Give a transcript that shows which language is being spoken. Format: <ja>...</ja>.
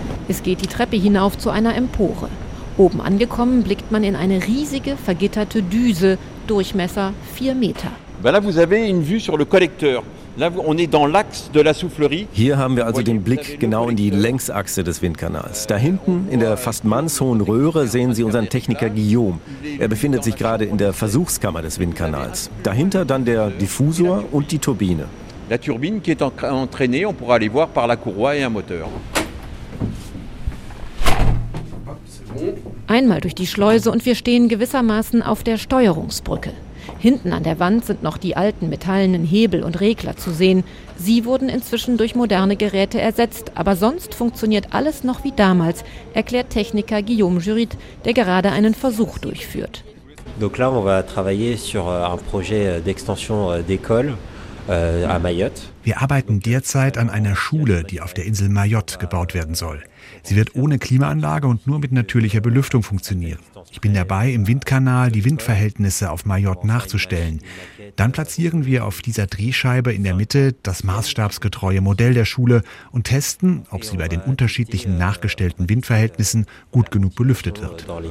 <de>Es geht die Treppe hinauf zu einer Empore. Oben angekommen blickt man in eine riesige, vergitterte Düse, Durchmesser 4 Meter.</de> <fr>Là, vous avez une vue sur le collecteur.</fr> <de>Hier haben wir also den Blick genau in die Längsachse des Windkanals. Da hinten, in der fast mannshohen Röhre, sehen Sie unseren Techniker Guillaume. Er befindet sich gerade in der Versuchskammer des Windkanals. Dahinter dann der Diffusor und die Turbine.</de> <fr>La turbine qui est entraînée, on pourra aller voir par la courroie et un moteur.</fr> <de>Einmal durch die Schleuse und wir stehen gewissermaßen auf der Steuerungsbrücke. Hinten an der Wand sind noch die alten metallenen Hebel und Regler zu sehen. Sie wurden inzwischen durch moderne Geräte ersetzt, aber sonst funktioniert alles noch wie damals, erklärt Techniker Guillaume Jurit, der gerade einen Versuch durchführt.</de> <fr>Donc là, on va travailler sur un projet d'extension d'école.</fr> <de>Wir arbeiten derzeit an einer Schule, die auf der Insel Mayotte gebaut werden soll. Sie wird ohne Klimaanlage und nur mit natürlicher Belüftung funktionieren. Ich bin dabei, im Windkanal die Windverhältnisse auf Mayotte nachzustellen. Dann platzieren wir auf dieser Drehscheibe in der Mitte das maßstabsgetreue Modell der Schule und testen, ob sie bei den unterschiedlichen nachgestellten Windverhältnissen gut genug belüftet wird.</de>